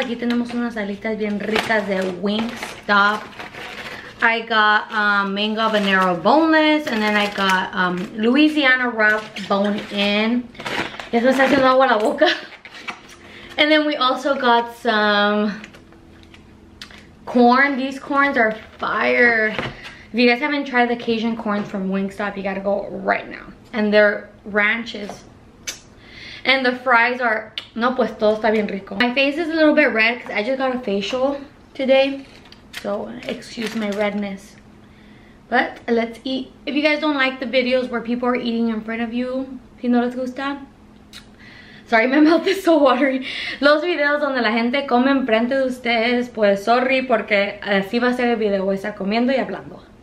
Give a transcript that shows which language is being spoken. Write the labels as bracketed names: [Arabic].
[Spanish] Aquí tenemos unas alitas bien ricas de Wingstop. [English] I got mango habanero boneless and then I got Louisiana rub bone-in. [Spanish] Ya se me está haciendo agua la boca. [English] And then we also got some corn. These corns are fire. If you guys haven't tried the Cajun corns from Wingstop, you gotta go right now. And their ranch is... And the fries are... [Spanish] No, pues todo está bien rico. [English] My face is a little bit red because I just got a facial today. So excuse my redness. But let's eat. If you guys don't like the videos where people are eating in front of you, [Spanish] si no les gusta... [English] Sorry, my mouth is so watery. [Spanish] Los videos donde la gente come enfrente de ustedes, pues sorry, porque así va a ser el video. Voy a estar comiendo y hablando.